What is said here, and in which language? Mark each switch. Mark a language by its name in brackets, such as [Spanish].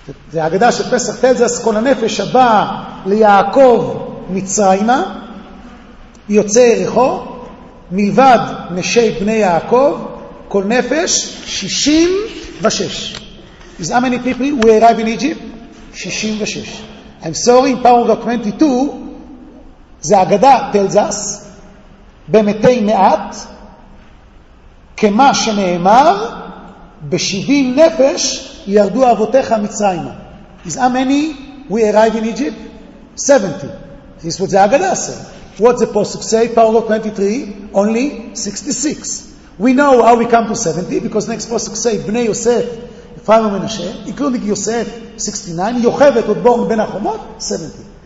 [Hebrew] The Haggadah of Pesach tells us, Kol ha-nefesh ha-ba li-Yaakov mitzrayma, yotzei ericho, מלבד נשי בני יעקב, כל נפש, 66. [English] Is how many people who arrive in Egypt? 66. I'm sorry, in paragraph 22, the Haggadah tells us, [Hebrew] במתי מעט, כמה שנאמר, ב-70 נפש, ירדו אבותיך מצרימה. [English] Is how many we arrive in Egypt? 70. This is what the Haggadah says. What's the Pasuk say? Paragraph 23, only 66. We know how we come to 70, because next pasuk say, Bnei Yosef, father Menashe, including Yosef, 69, Yochevet, was born Ben Achomot, 70.